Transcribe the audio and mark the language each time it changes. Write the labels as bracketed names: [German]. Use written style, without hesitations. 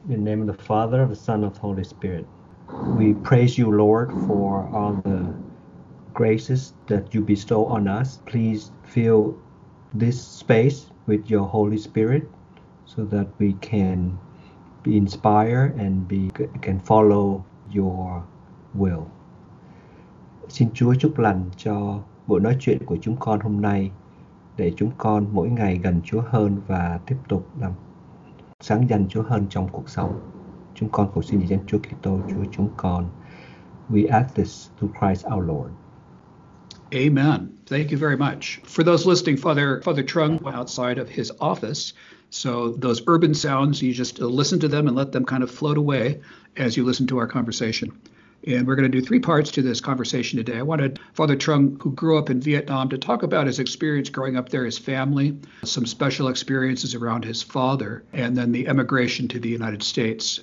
[English] In the name of the Father, the Son, of the Holy Spirit. We praise you, Lord, for all the graces that you bestow on us. Please fill this space with your Holy Spirit so that we can be inspired and can follow your will. [Vietnamese] Xin Chúa chúc lành cho buổi nói chuyện của chúng con hôm nay để chúng con mỗi ngày gần Chúa hơn và tiếp tục làm sáng danh Chúa hơn trong cuộc sống. Chúng con cầu xin danh Chúa Kitô, Chúa chúng con. [English] We ask this through Christ our Lord. Amen. Thank you very much. For those listening, Father Trung went outside of his office. So those urban sounds, you just listen to them and let them kind of float away as you listen to our conversation. And we're going to do three parts to this conversation today. I wanted Father Trung, who grew up in Vietnam, to talk about his experience growing up there, his family, some special experiences around his father, and then the emigration to the United States.